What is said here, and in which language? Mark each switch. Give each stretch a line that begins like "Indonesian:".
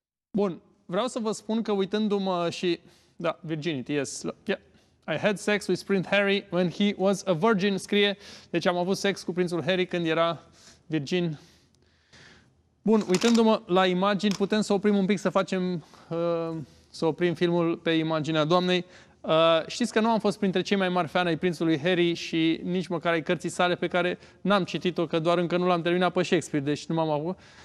Romanian: Bun, vreau să vă spun că uitându-mă și... Da,
English: virginity, yes. Yeah. I had sex with Prince Harry when he was a virgin,
Romanian: scrie. Deci am avut sex cu prințul Harry când era virgin. Bun, uitându-mă la imagini, putem să oprim un pic, să facem... să oprim filmul pe imaginea doamnei. Știți că nu am fost printre cei mai mari fani ai prințului Harry și nici măcar ai cărții sale pe care n-am citit-o, că doar încă nu l-am terminat pe Shakespeare, deci nu m-am avut...